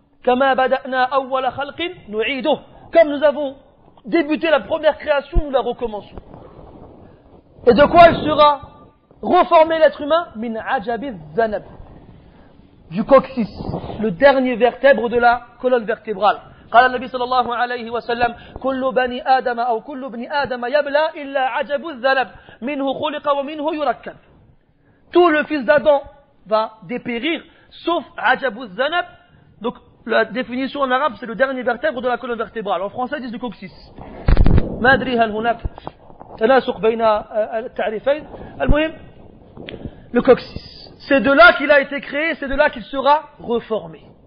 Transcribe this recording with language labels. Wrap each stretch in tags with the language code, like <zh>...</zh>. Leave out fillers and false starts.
<ar>كَمَا بَدَأْنَا أَوَّلَ خَلْقٍ نُعِيدُهُ.</ar> <fr>Comme nous avons débuter la première création, nous la recommençons. Et de quoi il sera reformé l'être humain?</fr> <ar>Min ajabi zanab.</ar> <fr>Du coccyx, le dernier vertèbre de la colonne vertébrale.</fr> <ar>قال النبي صلى الله عليه وسلم كل بني آدم أو كل بني آدم يبلى إلا عجب الذنب منه خلق ومنه يركب.</ar> <fr>Tout le fils d'Adam va dépérir sauf</fr> <ar>عجب الذنب.</ar> <fr>Donc la définition en arabe, c'est le dernier vertèbre de la colonne vertébrale. En français, ils disent le coccyx.</fr> <ar>Madri hal hunak tanasuq bayna al-ta'rifayn. Al-muhim,</ar> <fr>le coccyx. C'est de là qu'il a été créé, c'est de là qu'il sera reformé.</fr>